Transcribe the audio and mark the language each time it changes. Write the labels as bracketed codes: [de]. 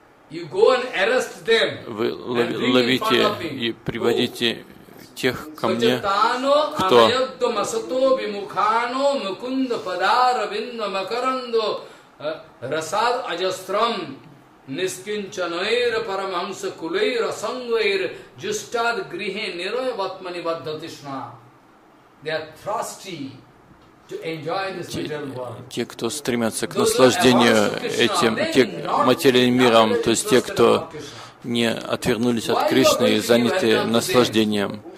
[en] You go and arrest them and bring them in front of me. [ru] Ловите и приводите тех ко мне, кто? [sa] Tano anayadho masato vimukhano mukunda padar vinda makaranda rasada jasram Нискинчанайра парамамса кулайра сангвайра жюстад грихе нирая ватмани ваддатишна. [en] They are thirsty to enjoy this material world. [ru] Те, кто стремятся к наслаждению этим материальным миром, то есть те, кто не отвернулись от Кришны и заняты наслаждением.